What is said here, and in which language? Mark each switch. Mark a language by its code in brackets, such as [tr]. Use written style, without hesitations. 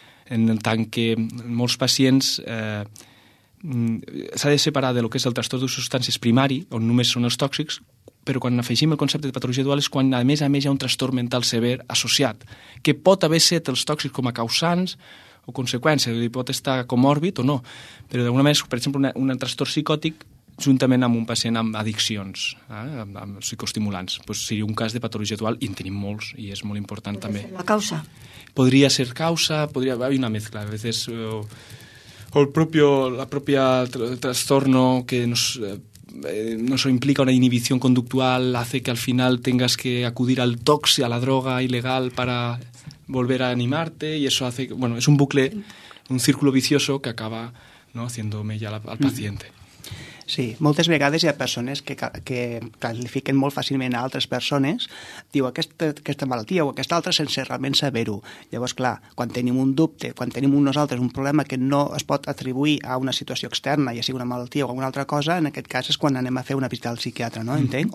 [ca] En tant que molts pacients... s'ha de separar del que és el trastorn de substàncies primari, on només són els tòxics, però quan afegim el concepte de patologia dual és quan, a més, hi ha un trastorn mental sever associat, que pot haver set els tòxics com a causants o conseqüències, pot estar comòrbid o no, però d'alguna manera, per exemple, un trastorn psicòtic juntament amb un pacient amb addiccions, amb psicoestimulants, pues seria un cas de patologia dual, i en tenim molts, i és molt important també. La causa? Podria ser causa, podria haver una mezcla, a vegades... [es] O la propia trastorno que nos implica una inhibición conductual hace que al final tengas que acudir al toxi, a la droga ilegal para volver a animarte, y eso hace que, bueno, es un bucle, un círculo vicioso que acaba, ¿no?, haciendo mella al paciente. [ca] Sí, moltes vegades hi ha persones que califiquen molt fàcilment a altres persones, diu aquesta malaltia o aquesta altra sense realment saber-ho. Llavors, clar, quan tenim un dubte, quan tenim nosaltres un problema que no es pot atribuir a una situació externa, ja sigui una malaltia o alguna altra cosa, en aquest cas és quan anem a fer una visita al psiquiatre, no? Entenc?